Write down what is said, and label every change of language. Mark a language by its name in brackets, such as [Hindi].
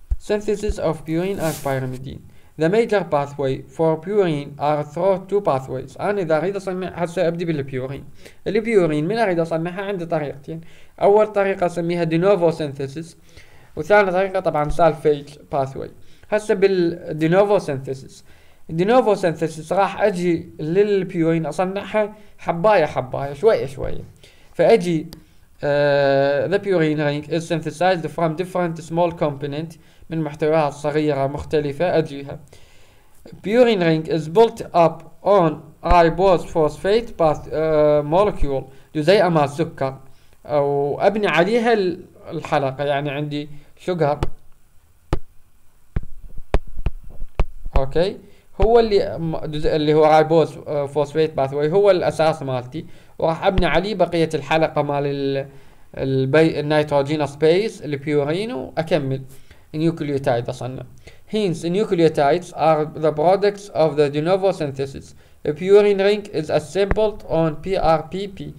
[English] Synthesis of purine and pyrimidine. The major pathway for purine are through two pathways. [Arabic] أنا إذا أريد أسمي هسه أبدي بالبيورين. البيورين من أريد أسميها عندي طريقتين. أول طريقة أسميها de novo synthesis وثاني طريقة طبعا sulfate pathway. هسه بالde novo synthesis. De novo synthesis راح أجي للبيورين أصنعها حباية حباية شوية شوية. [English] فأجي the purine ring is synthesized from different small components [Arabic] من محتويات صغيرة مختلفة أجيها. [English] Purine ring is built up on ribose phosphate path molecule [Arabic] جزيئة مع السكر وأبني عليها الحلقة يعني عندي [English] sugar okay. [Arabic] هو اللي جزء اللي هو ribose phosphate pathway هو الأساس مالتي وراح أبني عليه بقية الحلقة مال النيتروجين سبيس البيورين وأكمل النيوكليوتايد أصنع. [English] Hence nucleotides are the products of the de novo synthesis. A purine ring is assembled on PRPP.